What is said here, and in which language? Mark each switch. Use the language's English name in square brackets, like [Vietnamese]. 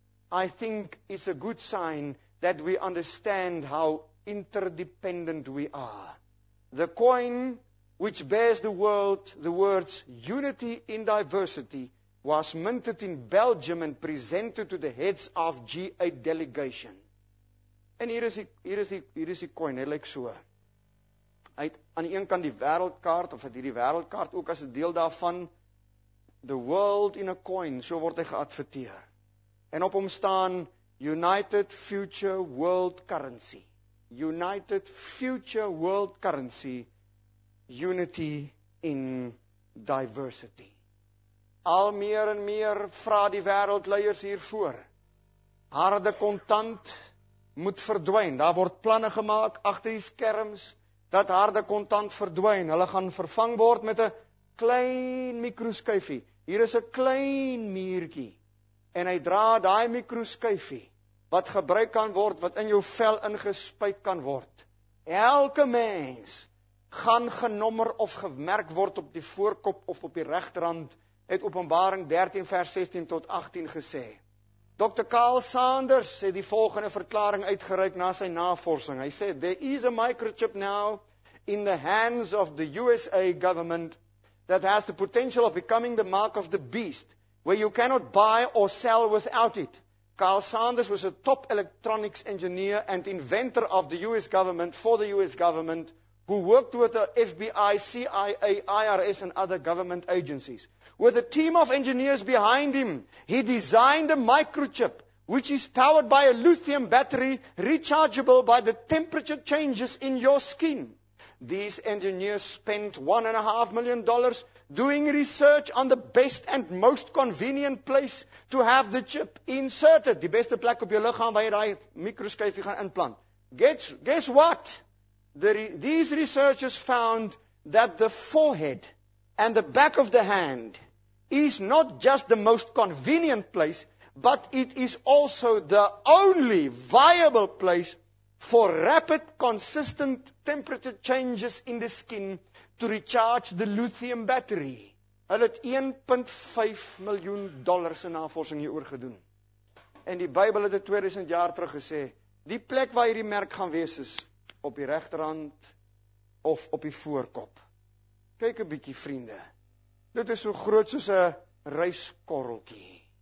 [English] I think it's a good sign that we understand how interdependent we are. The coin which bears the words unity in diversity was minted in Belgium and presented to the heads of G8 delegation. [Afrikaans] En hier is die coin, hy lyk so. Hy het aan die een kant die wêreldkaart, of het hierdie wêreldkaart ook as 'n deel daarvan, [English] the world in a coin, [Afrikaans] so word hy geadverteer. En op hom staan United Future World Currency. United Future World Currency, unity in diversity. Al meer en meer vra die wêreldleiers hiervoor. Harde kontant moet verdwyn. Daar word planne gemaak agter die skerms dat harde kontant verdwyn. Hulle gaan vervang word met 'n klein mikroskyfie. Hier is 'n klein muurtjie en hy dra daai mikroskyfie wat gebruik kan word, wat in jou vel ingespuit kan word. Elke mens gaan genommer of gemerk word op die voorkop of op die regterhand, het Openbaring 13 vers 16 tot 18 gesê. Dr. Carl Sanders het die volgende verklaring uitgereik na sy navorsing. Hy sê, [English] there is a microchip now in the hands of the USA government that has the potential of becoming the mark of the beast, where you cannot buy or sell without it. Carl Sanders was a top electronics engineer and inventor of the US government for the US government, who worked with the FBI, CIA, IRS and other government agencies. With a team of engineers behind him, he designed a microchip which is powered by a lithium battery rechargeable by the temperature changes in your skin. These engineers spent $1.5 million doing research on the best and most convenient place to have the chip inserted. [Afrikaans] Die beste plek op jou liggaam waar jy daai mikroskyfie gaan implant. [English] Guess what? These researchers found that the forehead and the back of the hand is not just the most convenient place, but it is also the only viable place for rapid, consistent temperature changes in the skin to recharge the lithium battery. [Afrikaans] Hulle het $1.5 million in navorsing hieroor gedoen. En die Bybel het 2000 jaar terug gesê, die plek waar hierdie merk gaan wees is, op die regterhand of op die voorkop. Kyk 'n bietjie vriende, dit is so groot soos 'n ryskorreltjie.